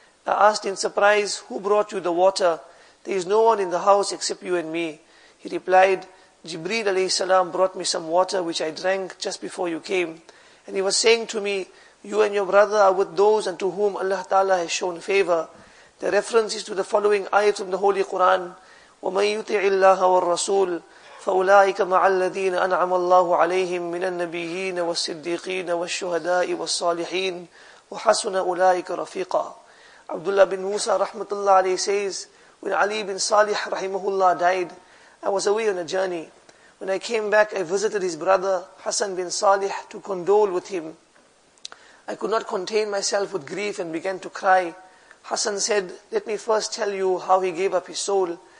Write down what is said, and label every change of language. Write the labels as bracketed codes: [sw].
[en] I asked in surprise, 'Who brought you the water? There is no one in the house except you and me.' He replied, 'Jibreel alayhi salam brought me some water which I drank just before you came. And he was saying to me, you and your brother are with those unto whom Allah Ta'ala has shown favor.' The reference is to the following ayat from the Holy Quran, [ar] 'وَمَنْ يُطِعِ اللَّهَ وَالرَّسُولِ فَأُولَٰئِكَ مَعَ الَّذِينَ أَنْعَمَ اللَّهُ عَلَيْهِمْ مِنَ النَّبِيِّينَ وَالصِّدِّيقِينَ وَالشُّهَدَاءِ وَالصَّالِحِينَ وَحَسُنَ أُولَٰئِكَ رَفِيقًا." [en] Abdullah bin Musa rahmatullah alayhi says, "When Ali bin Salih rahimahullah died, I was away on a journey. When I came back, I visited his brother Hassan bin Salih to condole with him. I could not contain myself with grief and began to cry. Hassan said, 'Let me first tell you how he gave up his soul.